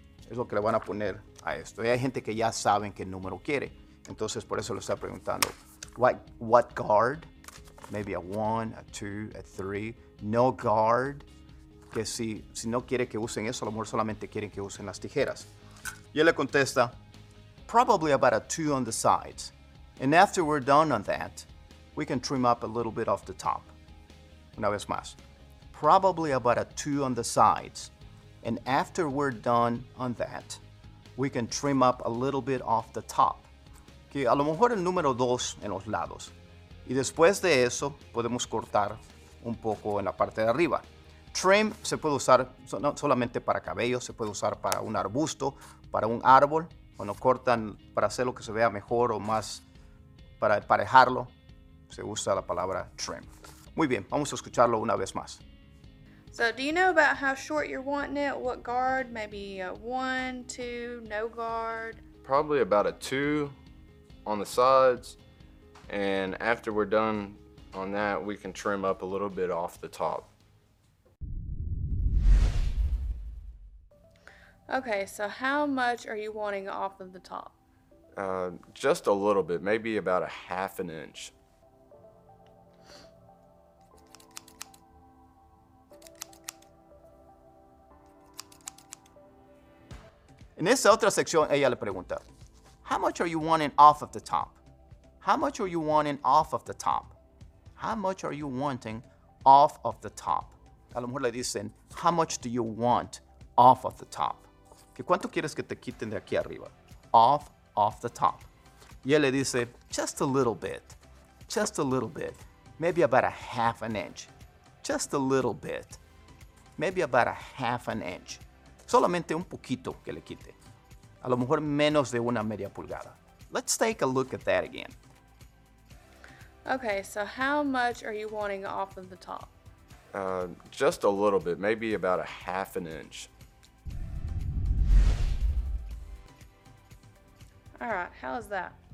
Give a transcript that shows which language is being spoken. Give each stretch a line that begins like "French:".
Spanish: Es lo que le van a poner a esto. Y hay gente que ya saben qué número quiere. Entonces, por eso le está preguntando.
English: What guard? Maybe a 1, a 2, a 3. No guard.
Spanish: Que si no quiere que usen eso, a lo mejor solamente quieren que usen las tijeras. Y él le contesta,
English: probably about a 2 on the sides. And after we're done on that, we can trim up a little bit off the top.
Spanish: Una vez más.
English: Probably about a 2 on the sides. And after we're done on that, we can trim up a little bit off the top.
Spanish: Que a lo mejor el número 2 en los lados. Y después de eso, podemos cortar un poco en la parte de arriba. Trim se puede usar no solamente para cabello, se puede usar para un arbusto, para un árbol, cuando cortan para hacer lo que se vea mejor o más, para emparejarlo, se usa la palabra trim. Muy bien, vamos a escucharlo una vez más.
English: So, do you know about how short you're wanting it? What guard? Maybe a 1-2, no guard? Probably about a 2 on the sides. And after we're done on that, we can trim up a little bit off the top. Okay, so how much are you wanting off of the top? Just a little bit, maybe about a half an inch.
Spanish: En esa otra sección, ella le pregunta,
English: how much are you wanting off of the top? How much are you wanting off of the top? How much are you wanting off of the top?
Spanish: A lo mejor le dicen,
English: how much do you want off of the top?
Spanish: ¿Qué cuánto quieres que te quiten de aquí arriba?
English: Off the top.
Spanish: Y él le dice,
English: just a little bit. Just a little bit. Maybe about a half an inch. Just a little bit. Maybe about a half an inch.
Spanish: Solamente un poquito que le quite. A lo mejor menos de una media pulgada.
English: Let's take a look at that again. Okay, so how much are you wanting off of the top? Just a little bit. Maybe about a half an inch. All right, how is that?